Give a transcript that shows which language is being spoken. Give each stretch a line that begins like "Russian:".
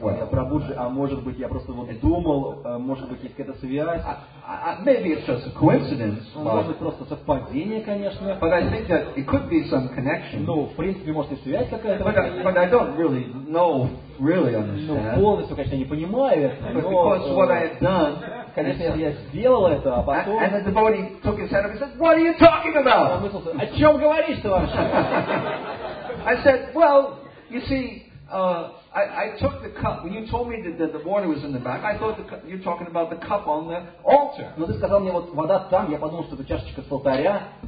Russian: Прабуджи, а может быть, я просто вот думал, может быть, есть какая-то связь.
English: Maybe it's just a coincidence.
Russian: Может быть, просто совпадение, конечно.
English: But I think that it could be some connection.
Russian: Ну, в принципе, может, и связь какая-то.
English: But I don't really know, really understand.
Russian: Ну, полностью, конечно, не понимаю.
English: Because what I had done,
Russian: конечно, я сделал это, а потом...
English: And the devotee took his head up and said, what are you talking about?
Russian: О чем говоришь ты вообще?
English: I said, well, you see, I took the cup. When you told me that the water was in the back, I thought you're talking about the cup on the altar.
Russian: Но ты сказал мне вот вода там, я подумал, что это чашечка с алтаря.